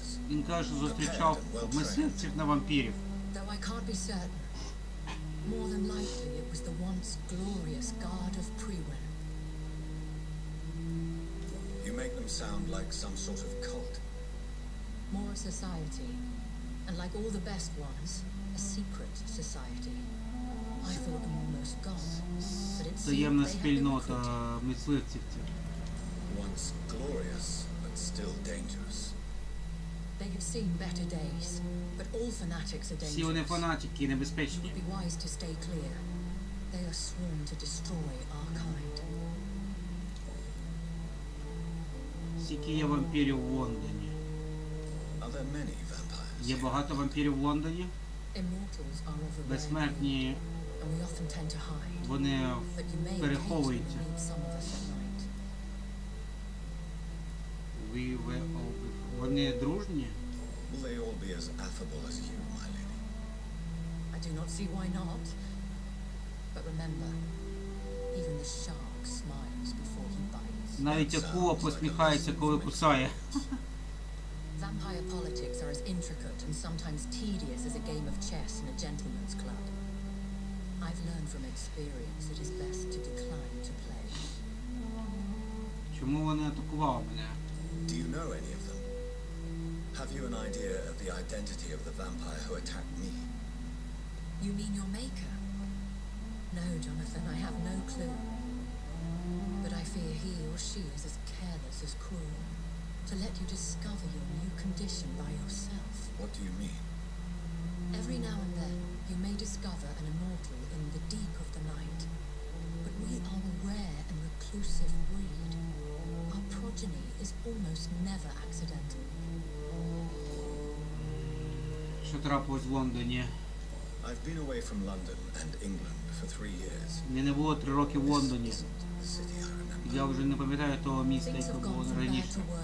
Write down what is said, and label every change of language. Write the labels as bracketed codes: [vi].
[uk] Він каже, що зустрічав мисливців на вампірів. [en] Though I can't be certain, more than likely it was the once glorious guard of Priwen. You make them sound like some sort of cult. More a society, and like all the best ones, a secret society. I thought them almost gone, but it seems they have been recruited. Once glorious, but still dangerous. They have seen better days, but all fanatics are dangerous. [uk] Всі вони фанатики і небезпечні. [en] It would be wise to stay clear. They are sworn to destroy our kind. [uk] Скільки є вампірів в Лондоні? [en] Are there many vampires? [uk] Є багато вампірів в Лондоні? [en] Immortals are of a rare [uk] Безсмертні. [en] And we often tend to hide. [uk] Вони переховуються. [en] But you may occasionally meet some of us at night. We were all before. [uk] Вони дружні? [en] Will they all be as affable as you, my lady? I do not see why not. But remember, even the shark smiles before he bites. [uk] Навіть акула посміхається, коли кусає. [en] Vampire politics are as intricate and sometimes tedious as a game of chess in a gentleman's club. I've learned from experience it is best to decline to play. [uk] Чому вони атакували мене? [en] Do you know any of them? Have you an idea of the identity of the vampire who attacked me? You mean your maker? No, Jonathan, I have no clue. But I fear he or she is as careless as cruel. To let you discover your new condition by yourself. What do you mean? Every now and then, you may discover an immortal in the deep of the night. But we are a rare and reclusive breed. Our progeny is almost never accidental. [uk] Що трапилось в Лондоні? [en] I've been away from London and England for 3 years. [uk] Мені було 3 роки в Лондоні. [en] City, [uk] я вже не пам'ятаю того міста, яке було раніше.